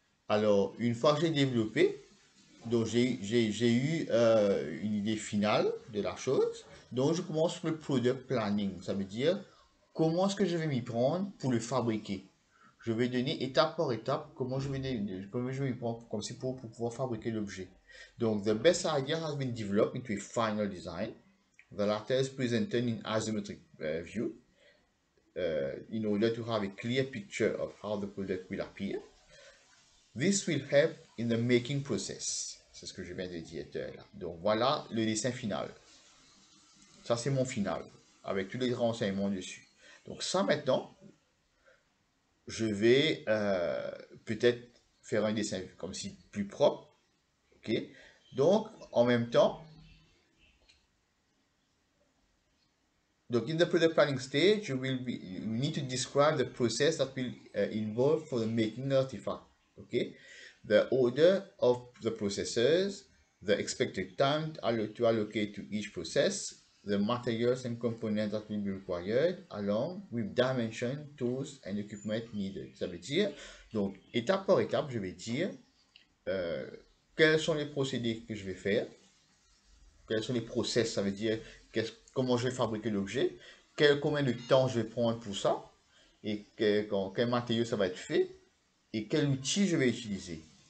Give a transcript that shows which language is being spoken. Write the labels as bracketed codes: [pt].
[fr] Alors, une fois que j'ai développé, donc j'ai eu une idée finale de la chose, donc je commence le product planning. Ça veut dire comment est-ce que je vais m'y prendre pour le fabriquer. Je vais donner étape par étape comment je vais m'y prendre comme si pour pouvoir fabriquer l'objet. Donc, [en] the best idea has been developed into a final design. The latter is presented in asymmetric view. In order to have a clear picture of how the product will appear, this will help in the making process. [fr] C'est ce que je viens de dire là. Donc voilà le dessin final. Ça, c'est mon final avec tous les renseignements dessus. Donc, ça maintenant, je vais peut-être faire un dessin comme si plus propre. Ok, donc en même temps. Donc, [en] in the product planning stage, you need to describe the process that will involve for the making artifact. Okay? The order of the processes, the expected time to allocate to each process, the materials and components that will be required, along with dimension, tools and equipment needed. [fr] Ça veut dire, donc, étape par étape, je vais dire quels sont les procédés que je vais faire, quels sont les process, ça veut dire comment je vais fabriquer l'objet, combien de temps je vais prendre pour ça, et quel matériau ça va être fait, et quel outil je vais utiliser.